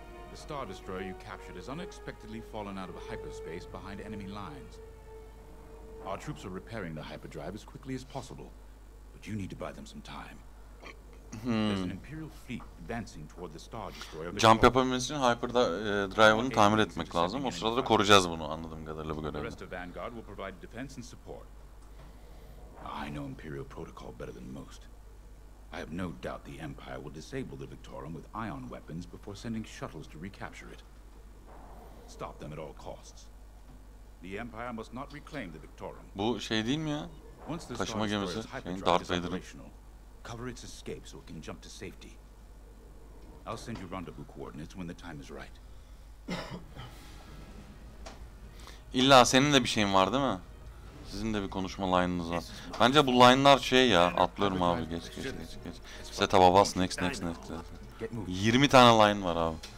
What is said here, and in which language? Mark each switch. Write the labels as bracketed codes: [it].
[en] The Star Destroyer you captured has unexpectedly fallen out of hyperspace behind enemy lines. Our troops are repairing the hyperdrive as quickly as possible, but you need to buy them some time. There's an Imperial fleet advancing toward the Star Destroyer. [tr] Jump yapabilmemiz için hyperdrive'ını tamir etmek lazım. O sırada da koruyacağız bunu anladığım kadarıyla bu görevde. [en] The rest of Vanguard will provide defense and support. I know Imperial protocol better than most. I have no doubt the Empire will disable the Victorum with ion weapons before sending shuttles to recapture it. Stop them at all costs. The Empire must not reclaim the Victorum. [tr] Bu şey değil mi ya? Taşıma gemisi. Darth Vader'ın. [en] Cover its escape so it can jump to safety. I'll send you rendezvous coordinates when the time is right. [tr] İlla senin de bir şeyin var değil mi? Sizin de bir konuşma line'ınız var. Bence bu line'lar şey ya, atlıyorum abi, geç. [en] Set up avas next. [tr] 20 tane line var abi.